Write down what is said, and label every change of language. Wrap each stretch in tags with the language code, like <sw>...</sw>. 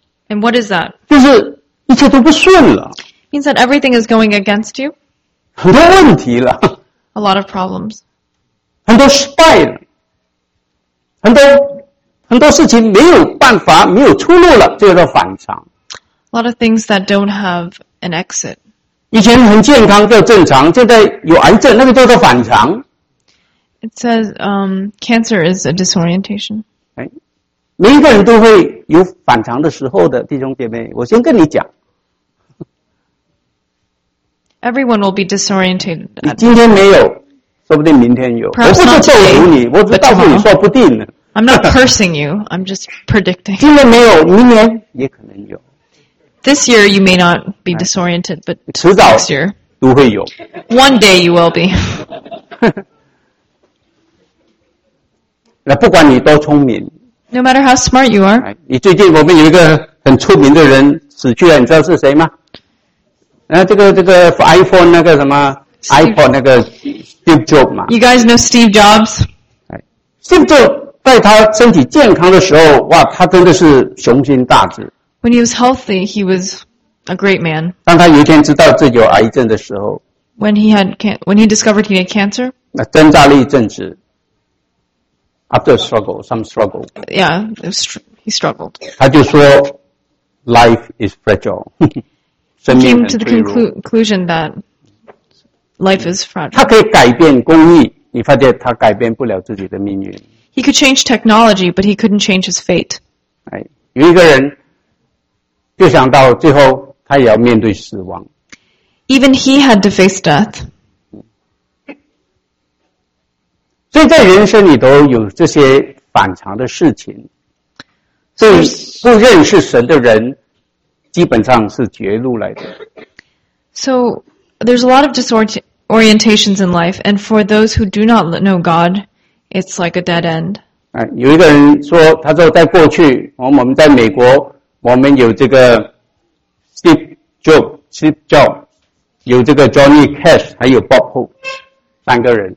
<en>And what is that?</en> <zh>就是一切都不顺了。</zh> <en>Means that everything is going against you.</en> <zh>很多问题了。</zh> <en>A lot of problems.</en> <zh>很多失败了。很多事情没有办法，没有出路了，这叫做反常。</zh> <en>A lot of things that don't have an exit.</en> <zh>以前很健康叫正常，现在有癌症，那个叫做反常。</zh> <en>It says, cancer is a disorientation.</en> <zh>每一个人都会有反常的时候的，弟兄姐妹，我先跟你讲。</zh> <en>Everyone will be disoriented.</en> <zh>你今天没有，说不定明天有。</zh> <en>Perhaps、</en> <zh>我不是咒诅你，我只告诉你说不定呢。</zh> <en>I'm not cursing you. I'm just predicting.</en> <zh>今天没有，明年也可能有。</zh> <en>This year you may not be disoriented, but</en> <zh>迟早</zh> <en>next year</en> <zh>都会有。</zh> <en>One day you will be.</en> <zh>那不管你多聪明</zh> <en>，No matter how smart you are.</en> <zh>你最近我们有一个很出名的人死去了，你知道是谁吗？这个 iPhone 那个什么 iPhone 那个 Steve Jobs 嘛。</zh> <en>You guys know Steve Jobs?</en> <zh>Steve Jobs 在他身体健康的时候，哇，他真的是雄心大志。</zh> <en>When he was healthy, he was a great man.</en> <zh>当他有一天知道自己有癌症的时候</zh> <en>，When he discovered he had cancer,</en> <zh>那挣扎了一阵子 ，</zh> <en>After struggle, some struggle. Yeah, he struggled.</en> <zh>他就说</zh> <en>，Life is fragile. He came to the conclusion that life is fragile.</en> <zh>他可以改变公义，你发现他改变不了自己的命运。</zh> <en>He could change technology, but he couldn't change his fate.</en> <zh>有一个人就想到最后，他也要面对死亡。</zh> <en>Even he had to face death.</en> <zh>所以在人生里头有这些反常的事情，所以不认识神的人。基本上是绝路来的。</zh> <en>So, there's a lot of disorientations in life, and for those who do not know God, it's like a dead end.</en> <zh>有一个人说，他说在过去，我们在美国，我们有这个 Steve Jobs, 有这个 Johnny Cash, 还有 Bob Hope, 三个人。</zh>